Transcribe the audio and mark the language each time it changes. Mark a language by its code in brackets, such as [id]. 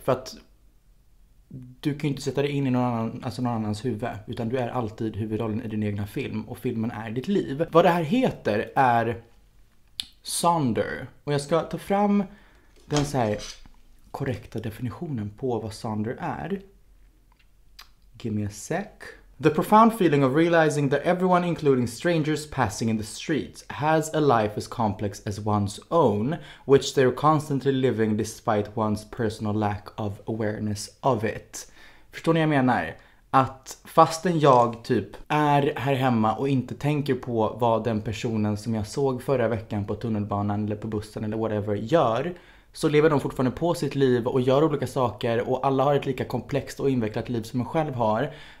[sv] För att du kan ju inte sätta dig in i någon annan, alltså någon annans huvud, utan du är alltid huvudrollen i din egna film och filmen är ditt liv. Vad det här heter är Sonder. Och jag ska ta fram den så här korrekta definitionen på vad Sonder är. [en] Give me a sec. The profound feeling of realizing that everyone, including strangers passing in the streets, has a life as complex as one's own, which they're constantly living despite one's personal lack of awareness of it. [sv] Förstår ni vad jag menar? att fastän jag typ är här hemma och inte tänker på vad den personen som jag såg förra veckan på tunnelbanan eller på bussen eller whatever gör, så lever de fortfarande på sitt liv och gör olika saker och alla har ett lika komplext och invecklat liv som jag själv har.